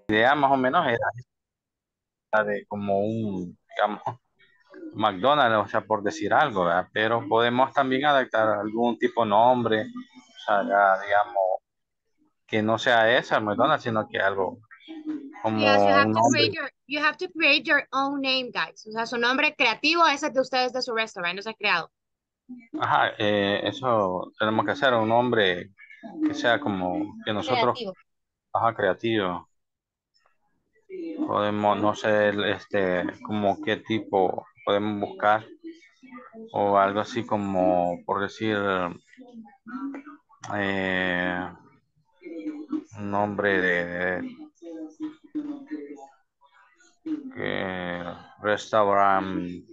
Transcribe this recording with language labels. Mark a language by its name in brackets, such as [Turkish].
[Spanish] Idea más o menos era la de como un, digamos, McDonald's, o sea, por decir algo, ¿verdad? Pero podemos también adaptar algún tipo de nombre, o sea, ya, digamos, que no sea esa McDonald's, sino que algo como. [English] Yes, you have to create your own name, guys. [Spanish] O sea, su nombre creativo es el de ustedes de su restaurante, no se ha creado. Ajá, eso tenemos que hacer, un nombre que sea como que nosotros, creativo. Ajá, creativo. Podemos, no sé, este, como qué tipo podemos buscar, o algo así como, por decir, un nombre de que restaurant.